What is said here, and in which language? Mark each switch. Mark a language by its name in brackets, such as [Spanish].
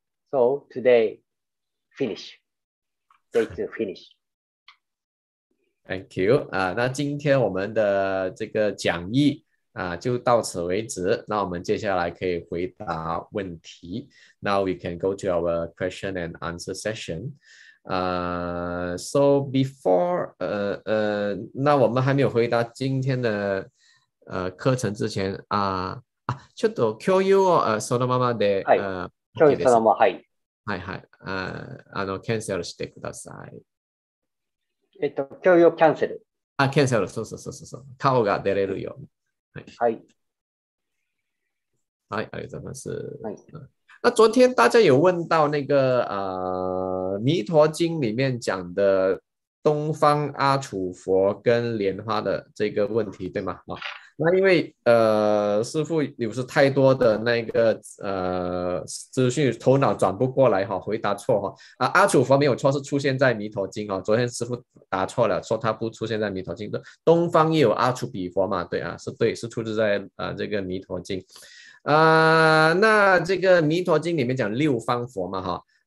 [English] So today finish, day to finish. Thank you. [Chinese] 那今天我们的这个讲义就到此为止。那我们接下来可以回答问题。 [English] Now we can go to our question and answer session. So before, [Chinese] 那我们还没有回答今天的课程之前 [Japanese] ちょっと共有をそのままで。はい。共有そのまま、はい。はいはい。キャンセルしてください。共有キャンセル。あ、キャンセル、そうそうそうそう。顔が出れるよ。はい。はい、はい、ありがとうございます。はい。 [Chinese] 那昨天大家有问到那个弥陀经里面讲的东方阿楚佛跟莲花的这个问题，对吗？那因为师父有时太多的那个资讯头脑转不过来，回答错阿楚佛没有错，是出现在弥陀经，昨天师父答错了，说他不出现在弥陀经，东方也有阿楚比佛嘛，对啊，是对，是出自在这个弥陀经那这个弥陀经里面讲六方佛嘛，